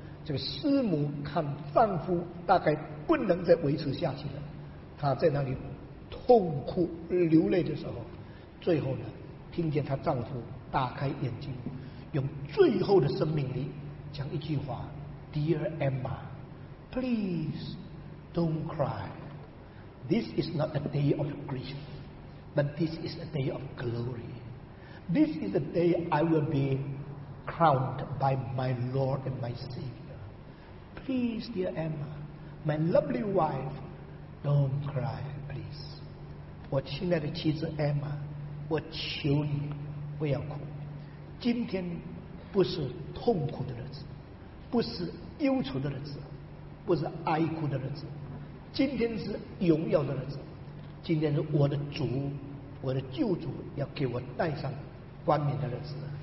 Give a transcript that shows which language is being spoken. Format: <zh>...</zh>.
<zh>这个师母看丈夫大概不能再维持下去了，她在那里痛哭流泪的时候，最后呢，听见她丈夫打开眼睛，用最后的生命力讲一句话 ：</zh> <en>“Dear Emma, please don't cry. This is not a day of grief, but this is a day of glory. This is the day I will be crowned by my Lord and my Savior. Please, dear Emma, my lovely wife, don't cry, please.</en> <zh>我亲爱的妻子 Emma， 我求你不要哭。” 今天不是痛苦的日子，不是忧愁的日子，不是哀哭的日子，今天是荣耀的日子。今天是我的主，我的救主要给我戴上冠冕的日子。</zh>